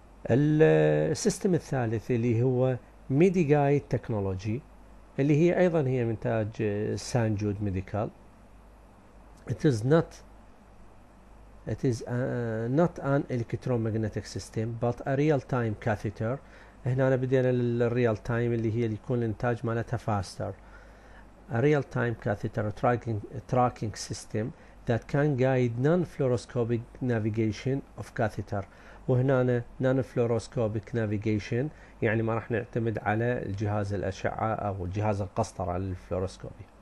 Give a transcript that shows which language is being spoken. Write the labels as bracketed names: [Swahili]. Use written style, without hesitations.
[Arabic] السيستم الثالث اللي هو ميدي جايد تكنولوجي، اللي هي ايضا هي من انتاج سان جود ميديكال. [English] It is not an electromagnetic system but a real time catheter. [Arabic] هنا أنا بدينا الريال تايم اللي هي اللي يكون الانتاج مالتها فاستر. [English] A real time catheter tracking system that can guide non-fluoroscopic navigation of catheter. [Arabic] وهنا non-fluoroscopic navigation يعني ما راح نعتمد على الجهاز الأشعة أو الجهاز القسطرة للفلوروسكوبي.